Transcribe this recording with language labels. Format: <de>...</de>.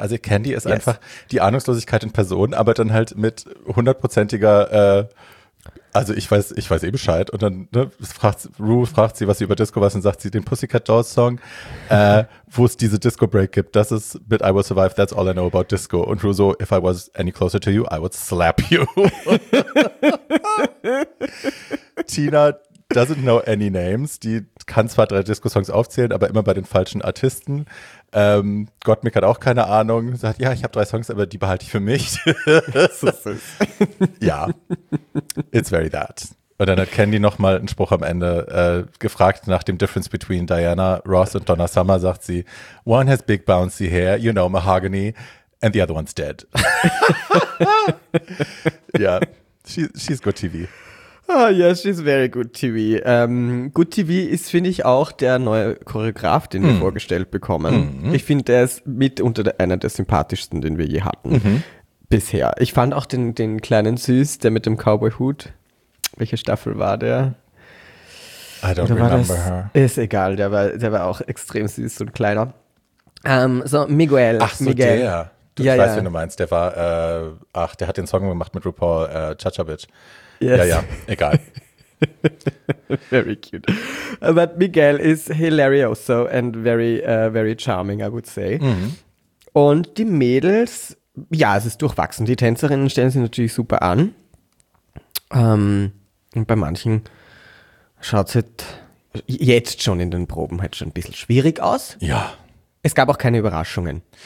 <de>Also Candy ist einfach die Ahnungslosigkeit in Person, aber dann halt mit hundertprozentiger, also ich weiß eh Bescheid. Und dann fragt sie, was sie über Disco weiß, und sagt sie den Pussycat Dolls Song, wo es diese Disco Break gibt. Das ist mit</de> <en>I Will Survive, That's All I Know About Disco. Und Ru so, if I was any closer to you, I would slap you. Tina doesn't know any names.</en> <de>Die kann zwar drei Disco-Songs aufzählen, aber immer bei den falschen Artisten. Gottmik hat auch keine Ahnung. Sagt, ja, ich habe drei Songs, aber die behalte ich für mich. Ja,</de> <en>it's very that.</en> <de>Und dann hat Candy nochmal einen Spruch am Ende gefragt nach dem Difference between Diana Ross und Donna Summer. Sagt sie,</de> <en>one has big bouncy hair, you know, mahogany, and the other one's dead. Ja, she's good TV. Oh, yes, she's very good TV.</en> <de>Good TV ist, finde ich, auch der neue Choreograf, den wir vorgestellt bekommen. Mm-hmm. Ich finde, der ist mitunter einer der sympathischsten, den wir je hatten. Mm-hmm. Bisher. Ich fand auch den kleinen Süß, der mit dem Cowboy-Hut. Welche Staffel war der?</de> <en>I don't remember</en> <de>das?</de> <en>Her.</en> <de>Ist egal, der war auch extrem süß und kleiner. So, Miguel. Ach so, Miguel. Der. Ich weiß, wen du meinst. Der war, der hat den Song gemacht mit RuPaul, Cha-Cha-Bitch. Yes. Ja, egal.</de> <en>Very cute. But Miguel is hilarioso and very, very charming, I would say. Mm-hmm.</en> <de>Und die Mädels, ja, es ist durchwachsen. Die Tänzerinnen stellen sich natürlich super an. Und bei manchen schaut es jetzt schon in den Proben halt schon ein bisschen schwierig aus. Ja. Es gab auch keine Überraschungen.</de>